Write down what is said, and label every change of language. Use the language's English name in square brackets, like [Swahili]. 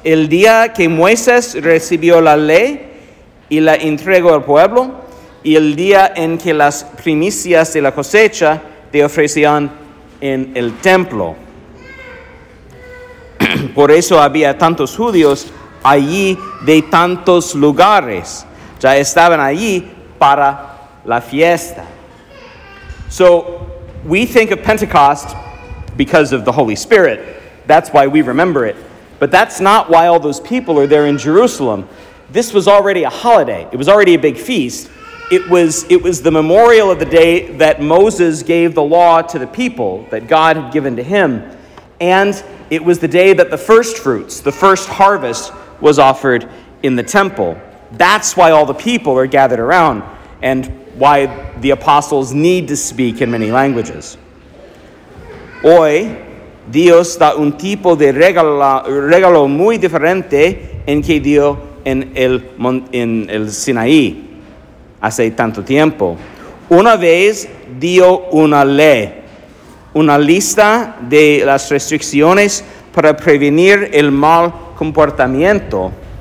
[Spanish] El día que Moisés recibió la ley y la entrego al pueblo, y el día en que las primicias de la cosecha te ofrecían en el templo. Por eso había tantos judíos allí de tantos lugares. Ya estaban allí para la fiesta. [English] So, we think of Pentecost because of the Holy Spirit. That's why we remember it. But that's not why all those people are there in Jerusalem. This was already a holiday. It was already a big feast. It was the memorial of the day that Moses gave the law to the people that God had given to him. And it was the day that the first fruits, the first harvest, was offered in the temple. That's why all the people are gathered around and why the apostles need to speak in many languages. [Spanish] Hoy, Dios da un tipo de regalo muy diferente en que dio en el Sinaí hace tanto tiempo. Una vez dio una ley, una lista de las restricciones para prevenir el mal comportamiento.